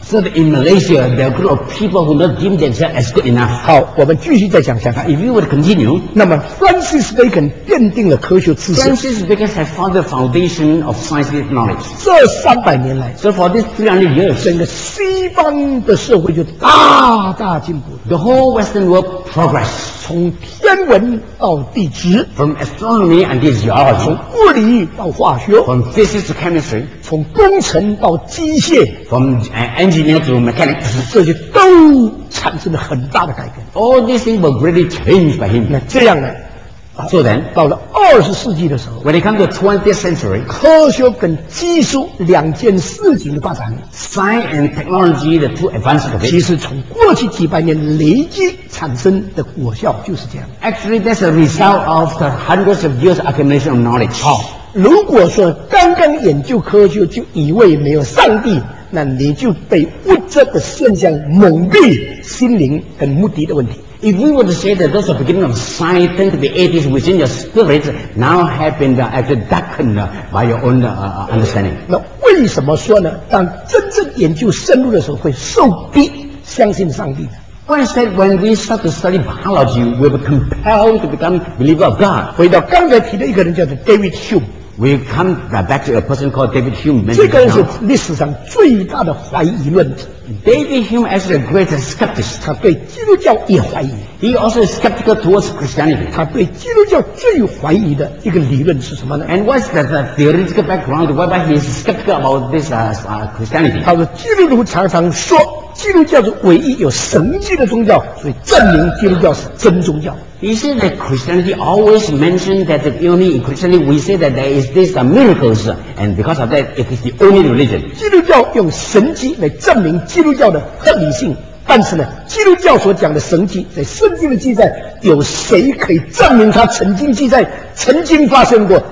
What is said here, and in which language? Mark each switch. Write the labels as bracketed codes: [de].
[en] So in Malaysia, there are a group of people who don't deem themselves as good enough. [zh] 好，我们继续再讲下去。 [en] If you would continue, [zh] 那么 Francis Bacon 奠定了科学知识。 [en] Francis Bacon has found the foundation of scientific knowledge. [zh] 这三百年来 [en] ，So for this 300 years, [zh] 整个西方的社会就大大进步。 [en] The whole Western world progressed. [zh] 从天文到地质 [en] ，From astronomy and geology. [zh] 从物理到化学 [en] ，From physics to chemistry. [zh] 从工程到机械 [en] ，from engineer to mechanic， [zh] 这些都产生了很大的改变。 [en] All these things were really changed by him。 [zh] 那这样呢 [en] ？So then， [zh] 到了二十世纪的时候 [en] ，when it comes to 20th century， [zh] 科学跟技术两件事情的发展 [en] ，science and technology the two advances of it， [zh] 其实从过去几百年累积产生的果效就是这样。 [en] Actually， that's a result of the hundreds of years accumulation of knowledge。 [zh] 好。如果说刚刚研究科学就以为没有上帝，那你就被物质的现象蒙蔽心灵跟目的的问题。 [en] If we were to say that those are beginning of science tend to be atheist within your spirit, now have been actually darkened by your own understanding. [zh] 那为什么说呢？当真正研究深入的时候，会受逼相信上帝呢？ [en] Why is that when we start to study biology, we were compelled to become believer of God? [zh] 回到刚才提的一个人叫做 David Hume。 [en] We come back to a person called David Hume. [zh] 这个是历史上最大的怀疑论者。 [en] David Hume as the greatest skeptic. [zh] 他对基督教也怀疑。 [en] He also is skeptical towards Christianity. [zh] 他对基督教最怀疑的一个理论是什么呢 [en] ？And what's the theoretical background whereby he is skeptical about this Christianity? [zh] 他说基督徒常常说基督教是唯一有神迹的宗教，所以证明基督教是真宗教。 [en] He said that Christianity always mentioned that the only in Christianity we say that there is this miracles and because of that it is the only religion. [zh] 基督教用神迹来证明基督教的合理性，但是呢，基督教所讲的神迹在圣经的记载，有谁可以证明它曾经记载、曾经发生过？